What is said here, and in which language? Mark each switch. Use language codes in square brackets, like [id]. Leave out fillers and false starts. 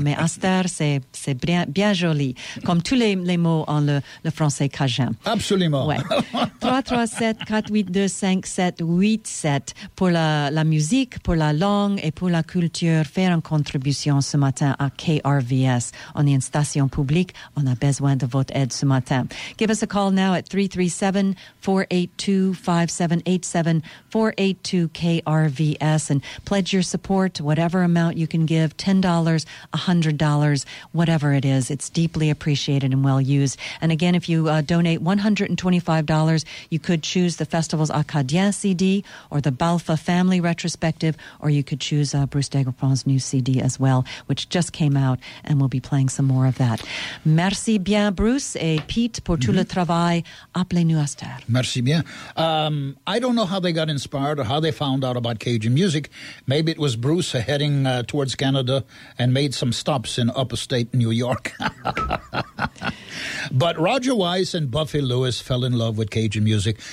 [fr] mais Aster, c'est bien, bien joli, comme tous les mots en le français Kajan. Absolument. Ouais. 337-482-5787, pour la musique, pour la langue et pour la culture, faire une contribution ce matin à KRVS. On est une station publique. On a besoin de votre aide ce matin. [en] Give us a call now at 337-482-5787, 482-KRVS, and pledge your support, whatever amount you can give, $10, $100, whatever it is. It's deeply appreciated and well used. And again, if you donate $125, you could choose the Festivals Acadien CD or the Balfa Family Retrospective, or you could choose Bruce Degrepon's new CD as well, which just came out, and we'll be playing some more of that. [fr] Merci bien, Bruce et Pete, pour tout le travail. Appelez-nous à Star. Merci bien. [en] I don't know how they got inspired or how they found out about Cajun music. Maybe it was Bruce heading towards Canada and made some stops in upstate New York. But Roger Weiss and Buffy Lewis fell in love with Cajun music.